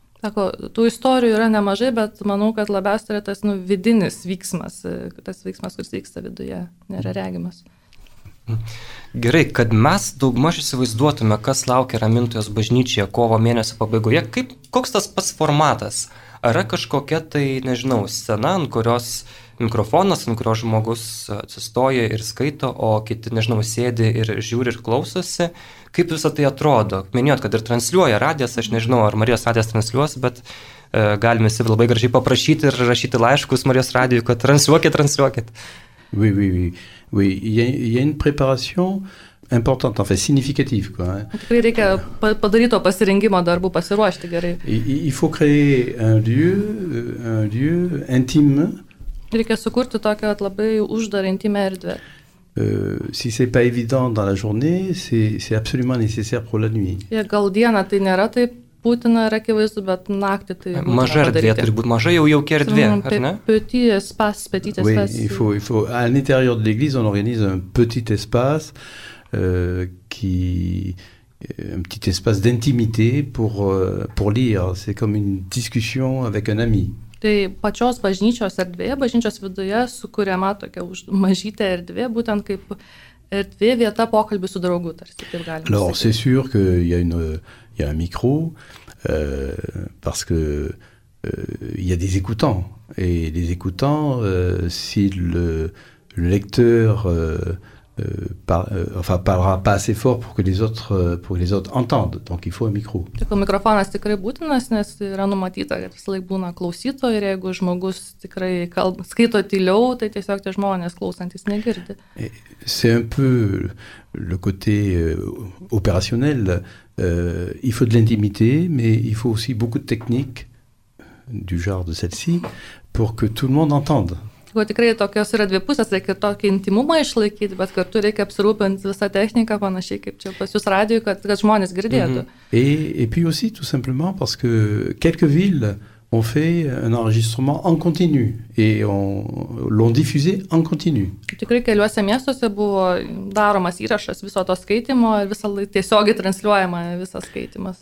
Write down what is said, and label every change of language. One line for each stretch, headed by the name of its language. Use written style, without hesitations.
Lithuanian: Sako, tų istorijų yra nemažai, bet manau, kad labiausiai yra tas nu, vidinis vyksmas, tas vyksmas, kuris vyksta viduje, nėra regimas. Gerai, kad mes daugmaž įsivaizduotume, kas laukia Ramintojos bažnyčioje kovo mėnesio pabaigoje, kaip, koks tas pats formatas? Ar yra kažkokia tai, nežinau, scena, ant kurios mikrofonas, ant kurios žmogus atsistoja ir skaito, o kiti, nežinau, sėdi ir žiūri ir klausosi? Kaip visą tai atrodo? Minėjot, kad ir transliuoja radijas, aš nežinau, ar Marijos radijas transliuos, bet galime visi labai gražiai paprašyti ir rašyti laiškus Marijos radijui, kad transliuokit.
French: Oui, oui, oui. Oui, il y a une préparation importante, enfin significative, quoi.
Lithuanian: Tikrai reikia padaryto pasirengimo darbų, pasiruošti gerai.
French: Il faut créer un lieu intime.
Lithuanian: Reikia sukurti tokią labai uždarą intimę erdvę.
French: Si c'est pas évident dans la journée, c'est absolument nécessaire pour la nuit.
Lithuanian: Jei gal dieną tai nėra taip būtina ir akivaizdu, bet naktį tai maža erdvė, turi būti maža jau jauki erdvė, ar ne?
French: Petit espace, petit espace. Oui, il faut à l'intérieur de l'église on organise un petit espace qui un petit espace d'intimité pour lire, c'est comme une discussion avec un ami.
Lithuanian: Tai pačios bažnyčios erdvėje, bažnyčios viduje sukuriama tokia mažytė erdvė, būtent kaip erdvė vieta pokalbių su draugu, tarsi taip galima.
French: Alors, c'est sûr que il y a un micro parce que il y a des écoutants et les écoutants si le lecteur parlera pas assez fort pour que les autres entendent donc il faut un micro.
Lithuanian: Tai ko mikrofonas tikrai būtinas, nes yra numatyta, kad visą laiką būna klausytojai ir jeigu žmogus tikrai skaito tyliau, tai tiesiog tie žmonės klausantis negirdi.
French: C'est un peu le côté opérationnel. Il faut de l'intimité, mais il faut aussi beaucoup de technique, du genre de celle-ci, pour que tout le monde entende.
Lithuanian: Tikrai tokios yra dvi pusės, reikia tokį intimumą išlaikyti, bet kartu reikia apsirūpinti visą techniką, panašiai kaip čia pas jūs radijoj, kad žmonės girdėtų.
French: Et puis aussi, tout simplement, parce que quelques villes ont fait un enregistrement en continu et l'ont diffusé en continu.
Lithuanian: Tikrai keliuose miestuose buvo daromas įrašas viso to skaitimo ir visą tiesiogiai transliuojama visas skaitimas.